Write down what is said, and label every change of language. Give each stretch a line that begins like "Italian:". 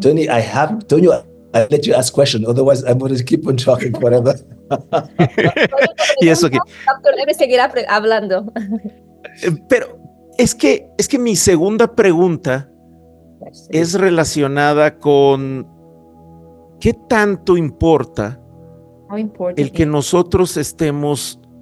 English: Tony, I have Tony. I let you ask questions, otherwise I'm going to keep on talking forever.
Spanish: Y eso que. Me seguirá hablando. Pero es que mi segunda pregunta es relacionada con qué tanto importa el que nosotros estemos.